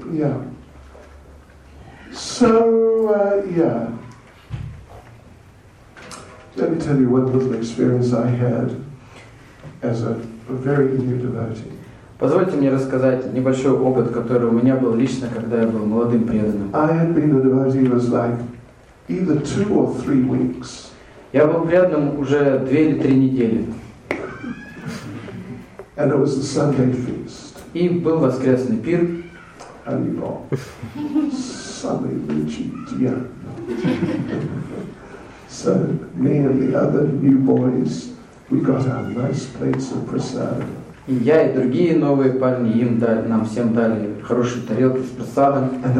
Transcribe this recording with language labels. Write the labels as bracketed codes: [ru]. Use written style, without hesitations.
[en] Yeah. So, yeah. Let me tell you one little experience I had as a very new devotee. [ru] Позвольте мне рассказать небольшой опыт, который у меня был лично, когда я был молодым преданным. [en] I had been a devotee was like either 2 or 3 weeks. [ru] Я был преданным уже 2 или 3 недели. [en] And it was the Sunday feast. [ru] И был воскресный пир. [en] And you know, Sunday feast, yeah. So me and the other new boys, we got our nice plates of prasad. [ru] И я, и другие новые парни, им дали, нам всем дали хорошие тарелки с просадом.